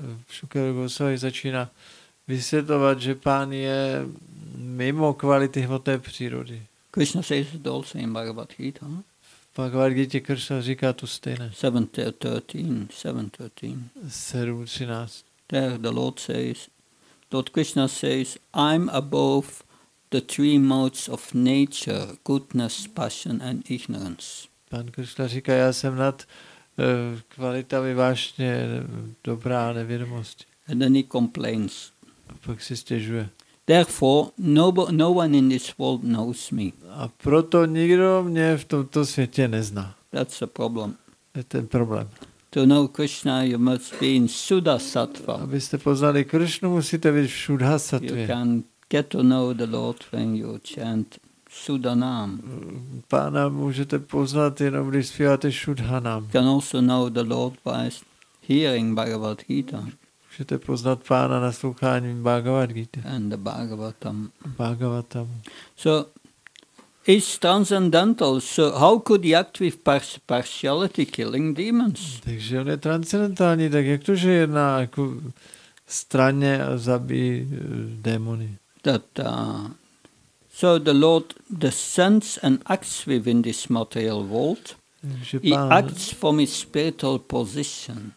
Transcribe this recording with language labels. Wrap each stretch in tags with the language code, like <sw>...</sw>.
<cs>Sukadev Goswami začíná vysvětlovat, že pán je mimo kvality hmotné přírody.</cs> <en>Krishna says it also in Bhagavad Gita.</en> <cs>Bhagavad Gita Krishna říká to stejné. 7.13.</cs> <en>There the Lord says, Lord Krishna says, I'm above the three modes of nature, goodness, passion and ignorance.</en> <cs>Pan Krishna říká, já jsem nad kvalitami vášně dobrá nevědomosti.</cs> <en>And then he complains.</en> <cs>A pak si stěžuje.</cs> <en>Therefore, no one in this world knows me.</en> <cs>A proto nikdo mě v tomto světě nezná.</cs> <en>That's a problem.</en> <cs>Je ten problém.</cs> <en>To know Krishna, you must be in Shuddha Sattva.</en> <cs>Abyste poznali Krishnu, musíte být v Shuddha Sattvě.</cs> <en>You can get to know the Lord when you chant Shuddha Nam.</en> <cs>Pána můžete poznat jenom, když zpíváte Shuddha Nam.</cs> <en>You can also know the Lord by hearing Bhagavad Gita.</en> <cs>Můžete poznat pána nasloucháním Bhagavad Gita.</cs> <en>And the Bhagavatam.</en> <cs>Bhagavatam.</cs> <en>So, is transcendental, so how could he act with partiality killing demons?</en> <cs>Takže on je transcendentální, tak jak to, že jedná jako straně a zabíjí démony?</cs> <en>So the Lord descends and acts within this material world.</en> <cs>Pán,</cs> <en>he acts from his spiritual position.</en>